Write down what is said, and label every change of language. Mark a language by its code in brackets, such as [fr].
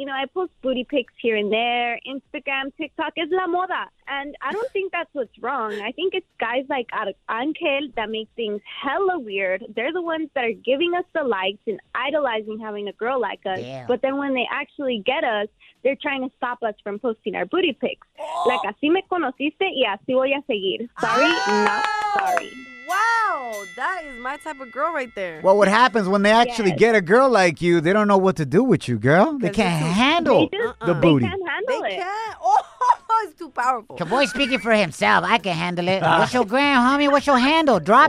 [en] You know, I post booty pics here and there. Instagram, TikTok is la moda. And I don't think that's what's wrong. I think it's guys like Arcángel that make things hella weird. They're the ones that are giving us the likes and idolizing having a girl like us. Damn. But then when they actually get us, they're trying to stop us from posting our booty pics. Oh. Like, [es] así me conociste y así voy a seguir. [en] Sorry, not sorry. Wow, that is my type of girl right there. Well, what happens when they actually get a girl like you, they don't know what to do with you, girl. They can't handle the booty. They can't handle it's too powerful. The boy speaking for himself. I can handle it. What's your gram, homie? What's your handle? Drop